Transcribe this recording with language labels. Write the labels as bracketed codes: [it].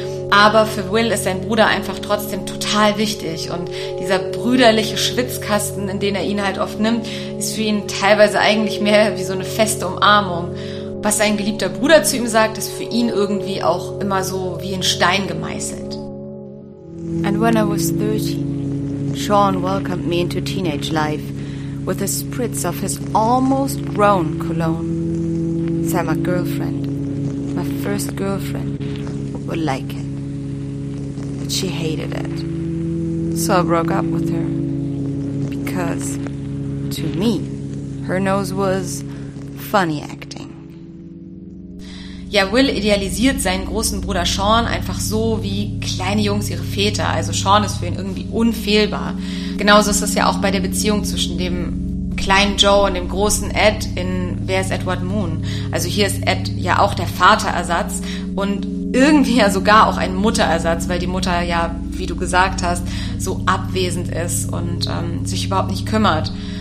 [de] Aber für Will ist sein Bruder einfach trotzdem total wichtig. Und dieser brüderliche Schwitzkasten, in den er ihn halt oft nimmt, ist für ihn teilweise eigentlich mehr wie so eine feste Umarmung. Was sein geliebter Bruder zu ihm sagt, ist für ihn irgendwie auch immer so wie in Stein gemeißelt. [en] And when I was 13, Sean welcomed me into teenage life with a spritz of his almost grown cologne. Said my girlfriend, my first girlfriend, would like it. But she hated it. So I broke up with her. Because, to me, her nose was funny acting. [de] Ja, Will idealisiert seinen großen Bruder Sean einfach so wie kleine Jungs ihre Väter. Also Sean ist für ihn irgendwie unfehlbar. Genauso ist es ja auch bei der Beziehung zwischen dem kleinen Joe und dem großen Ed in Wer ist Edward Moon? Also hier ist Ed ja auch der Vaterersatz und irgendwie ja sogar auch ein Mutterersatz, weil die Mutter ja, wie du gesagt hast, so abwesend ist und sich überhaupt nicht kümmert.